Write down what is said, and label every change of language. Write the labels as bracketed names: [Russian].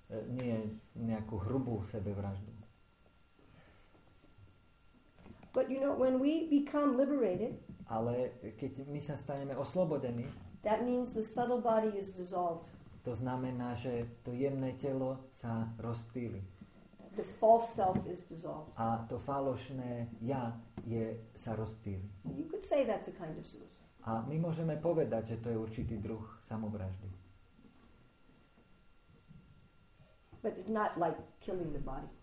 [Slovak] Nie nejakú hrubú sebevraždu. [English] But you know, when we become liberated, [Slovak] ale keď my sa staneme oslobodení, [English] That means the subtle body is dissolved. [Slovak] To znamená, že to jemné telo sa rozptýli. [English] The false self is dissolved. [Slovak] A to falošné ja je sa rozptýli. [English] You could say that's a kind of suicide. [Slovak] A my môžeme povedať, že to je určitý druh samovraždy. [English] But it's not like killing the body.